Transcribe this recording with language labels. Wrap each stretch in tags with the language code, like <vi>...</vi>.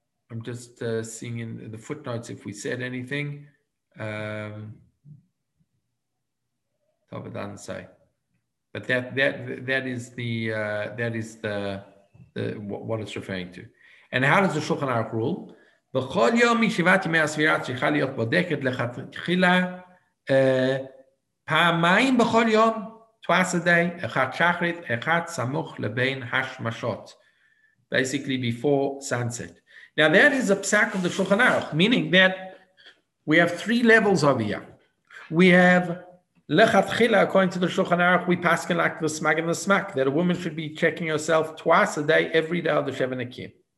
<en>I'm just seeing in the footnotes if we said anything. Tavadan say, but that is the what it's referring to. And how does the Shulchan Aruch rule?</en> <he>בכל יום משבעת ימי הספירה צריכה להיות בודקת לכתחילה פעמיים בכל יום,</he> <en>twice a day,</en> <he>אחת שחרית, אחת סמוך לבין השמשות.</he> <en>Basically before sunset. Now that is a psak of the Shulchan Aruch, meaning that we have three levels over here. We have לכתחילה, according to the Shulchan Aruch, we paskin like the smag and the smack, that a woman should be checking herself twice a day, every day of the Sheva Nekiyim.</en>